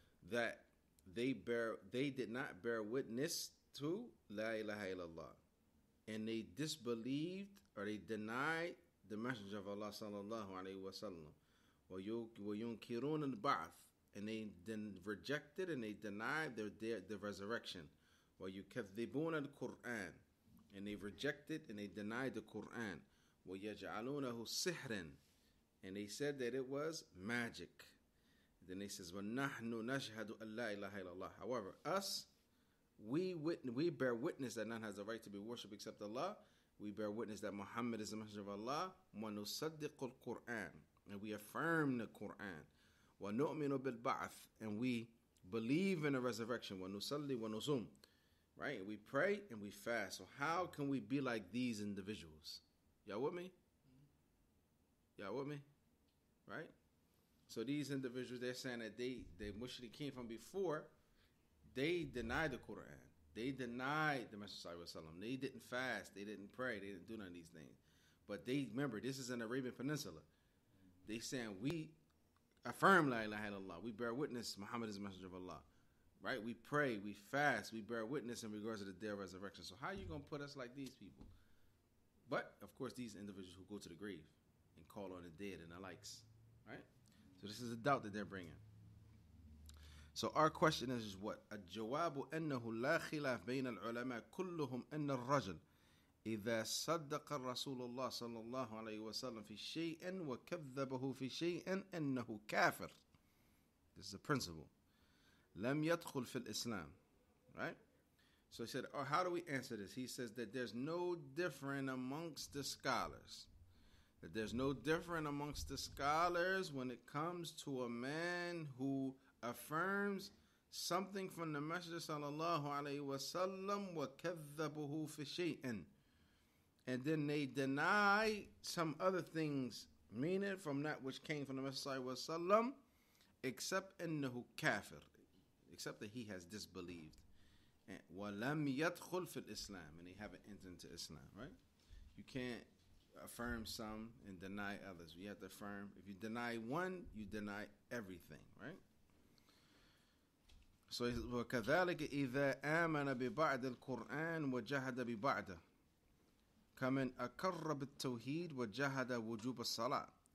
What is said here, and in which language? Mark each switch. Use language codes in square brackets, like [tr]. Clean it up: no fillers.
[en] that they did not bear witness to la ilaha illallah, and they disbelieved or they denied the Messenger of Allah sallallahu alaihi wasallam, [ar] وَيُنْكِرُونَ الْبَعْثِ. [en] And they then rejected and they denied the resurrection. [ar] وَيُكَذِّبُونَ الْقُرْآنَ. [en] And they rejected and they denied the Qur'an. [ar] وَيَجْعَلُونَهُ سِحْرًا. [en] And they said that it was magic. Then he says, [ar] وَنَحْنُ نَشْهَدُ أَلَّا إِلَهَ إِلَّا اللَّهِ. [en] However, us, we bear witness that none has the right to be worshipped except Allah. We bear witness that Muhammad is the Messenger of Allah. [ar] وَنُصَدِّقُ الْقُرْآنَ. [en] And we affirm the Qur'an. [ar] وَنُؤْمِنُ بِالْبَعْثِ. [en] And we believe in the resurrection. [ar] وَنُصَلِّ وَنُصُومُ. [en] Right? We pray and we fast. So how can we be like these individuals? Y'all with me? Y'all with me? Right? So these individuals, they're saying that they mushrikeen from before, they denied the Quran. They denied the Messenger Sallallahu Alaihi Wasallam. They didn't fast. They didn't pray. They didn't do none of these things. But they, remember, this is an Arabian Peninsula. They saying, we affirm la ilaha illallah. We bear witness Muhammad is the Messenger of Allah. Right? We pray, we fast, we bear witness in regards to the day of resurrection. So how are you going to put us like these people? But, of course, these individuals who go to the grave and call on the dead and the likes. Right? So this is a doubt that they're bringing. So our question is what? [ar] الجواب أنه لا خلاف بين العلماء كلهم أن الرجل إذا صدق الرسول الله صلى الله عليه وسلم في شيء وكذبه في شيء أنه كافر. [en] This is the principle. [ar] لم يدخل في الإسلام. [en] Right? So he said, oh, how do we answer this? He says that there's no difference amongst the scholars. That there's no difference amongst the scholars when it comes to a man who affirms something from the Messenger sallallahu alayhi wa sallam [ar] wa kadhabuhu fi shay'in. [en] And then they deny some other things, meaning from that which came from the Messenger wa sallam, except [ar] innahu kafir. [en] Except that he has disbelieved. [ar] وَلَمْ يَدْخُلْ فِي الْإِسْلَامِ. [en] And he haven't entered into Islam, right? You can't affirm some and deny others. You have to affirm. If you deny one, you deny everything, right? So he says, [ar] وَكَذَلِكَ إِذَا آمَنَ بِبَعْدِ الْقُرْآنِ وَجَهَدَ بِبَعْدَ كَمَنْ أَكَرَّ بِالتَّوْهِيدِ وَجَهَدَ وُجُوبَ الصَّلَاةِ.